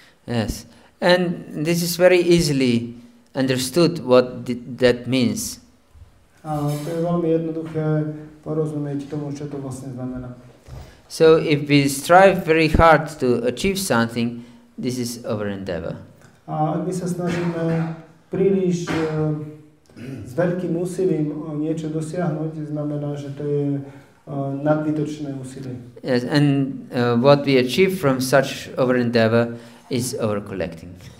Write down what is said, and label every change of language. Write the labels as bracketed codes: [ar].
[en] Yes, and this is very easily understood what that means. [sk] To je veľmi jednoduché porozumieť tomu, čo to vlastne znamená. [en] So if we strive very hard to achieve something, this is our endeavor. [sk] A ak my sa snažíme príliš s veľkým úsilím niečo dosiahnuť, znamená, že to je nadbytočné úsilie. [en] Yes, and what we achieve from such over endeavor is over collecting.